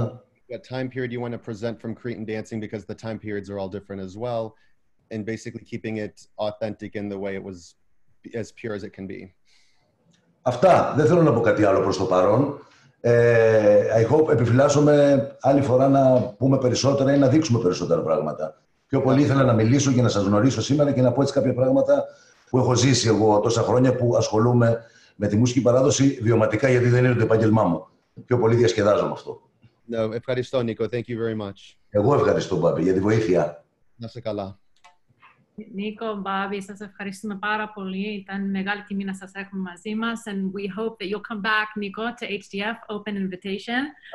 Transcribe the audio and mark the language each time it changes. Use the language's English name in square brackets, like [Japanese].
[English] What time period you want to present from Cretan dancing, because the time periods are all different as well, and basically keeping it authentic in the way it was, as pure as it can be. [Greek] Αυτά. Δεν θέλω να πω κάτι άλλο προς το παρόν. [English] I hope [Greek] επιφυλάσσομαι άλλη φορά να πούμε περισσότερα ή να δείξουμε περισσότερα πράγματα. Πιο πολύ ήθελα να μιλήσω και να σας γνωρίσω σήμερα και να πω έτσι κάποια πράγματα που έχω ζήσει εγώ τόσα χρόνια που ασχολούμαι με τη μουσική παράδοση βιωματικά, γιατί δεν είναι το επάγγελμά μου. Πιο πολύ διασκεδάζω με αυτό. [English] No, [Greek] ευχαριστώ, [English] Νίκο. Thank you very much. [Greek] Εγώ ευχαριστώ, Μπάμπη, για τη βοήθεια. Να είσαι καλά. Νίκο, Μπάμπη, σας ευχαριστούμε πάρα πολύ. Ήταν μεγάλη τιμή να σας έχουμε μαζί μας. [English] And we hope that you'll come back, Νίκο, to HDF, open invitation.